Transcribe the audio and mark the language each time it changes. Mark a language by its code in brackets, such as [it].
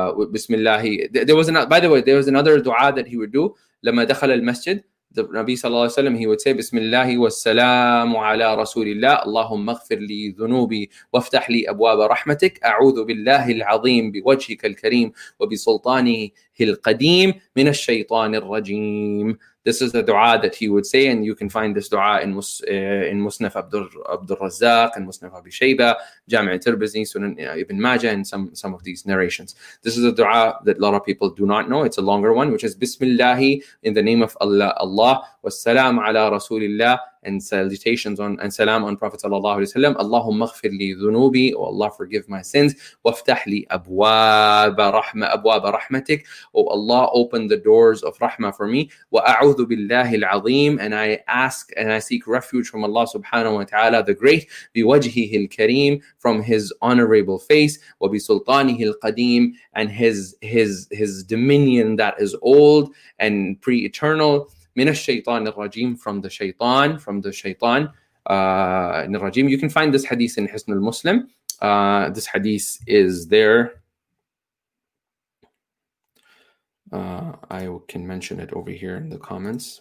[en] Bismillah. There was another dua that he would do. [ar] لما دخل المسجد, النبي صلى الله عليه وسلم [en] he would say [ar] بسم الله والسلام على رسول الله اللهم اغفر لي ذنوبي وافتح لي أبواب رحمتك أعوذ بالله العظيم بوجهك الكريم وبسلطانه القديم من الشيطان الرجيم. [en] This is the dua that he would say, and you can find this dua in Musnaf Abdul Razzaq and Musnaf Abi Shayba, Jami' Tirmidhi, Sunan Ibn Majah, and some of these narrations. This is a dua that a lot of people do not know. It's a longer one, which is Bismillahi, in the name of Allah, [ar] Wassalam ala Rasulillah, [en] and salutations on and salam on Prophet sallallahu alaihi wasallam. [ar] Allahumma ighfir li dhunubi, [en] O Allah, forgive my sins. [ar] Waftah li abwaaba rahmatik, [en] O Allah, open the doors of rahmah for me. [ar] Wa a'udhu billahi al-azim, [en] and I ask and I seek refuge from Allah subhanahu wa ta'ala the great. [ar] Bi wajhihi al-karim, [en] from his honorable face. [ar] Wa bi sultanihi al-qadim, [en] and his dominion that is old and pre-eternal. [ar] من الشيطان الرجيم, [en] from the shaitan [ar] الرجيم. [en] You can find this hadith in Hisn al-Muslim. This hadith is there. I can mention it over here in the comments.